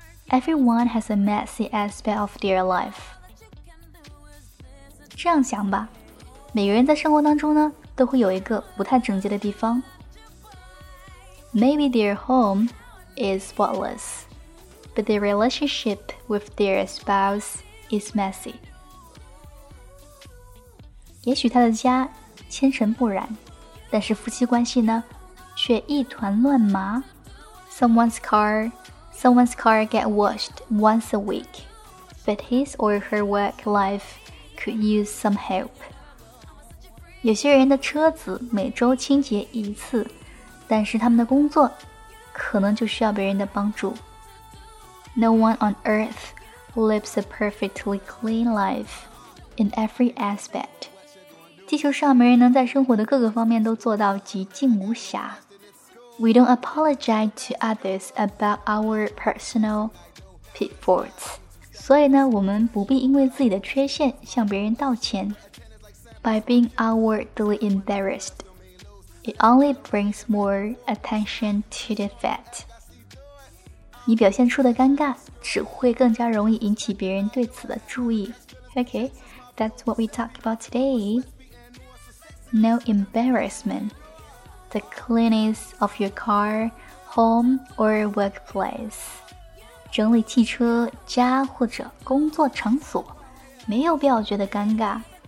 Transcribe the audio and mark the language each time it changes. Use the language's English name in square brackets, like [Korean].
[English] Everyone has a messy aspect of their life. [Chinese] 这样想吧，每个人在生活当中呢都会有一个不太整洁的地方。 [English] Maybe their home is spotless, but their relationship with their spouse is messy. [Chinese] 也许他的家纤尘不染，但是夫妻关系呢，却一团乱麻。 [English] Someone's car get washed once a week, but his or her work life could use some help. [Chinese] 有些人的车子每周清洁一次，但是他们的工作可能就需要别人的帮助。 [English] No one on earth lives a perfectly clean life in every aspect. [Chinese] 地球上没人能在生活的各个方面都做到洁净无瑕。 [English] We don't apologize to others about our personal pitfalls. [Chinese] 所以呢，我们不必因为自己的缺陷向别人道歉。 [English] By being outwardly embarrassed, it only brings more attention to the fact. [Chinese] 你表现出的尴尬只会更加容易引起别人对此的注意。 [English] Okay, that's what we talk about today. No embarrassment. The cleanliness of your car, home, or workplace. [Chinese] 整理汽车、家或者工作场所，没有必要觉得尴尬。